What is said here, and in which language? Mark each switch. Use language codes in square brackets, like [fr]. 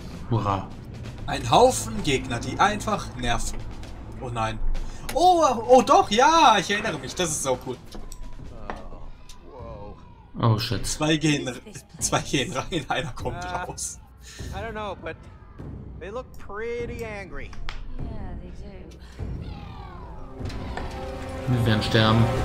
[de] Hurra. Ein Haufen Gegner, die einfach nerven. Oh nein. Oh, oh doch, ja, ich erinnere mich, das ist auch cool. [en] Oh shit. [de] Zwei gehen rein, einer kommt raus. [en] I don't know, but they look pretty angry. Yeah, they do. [de] Wir werden sterben.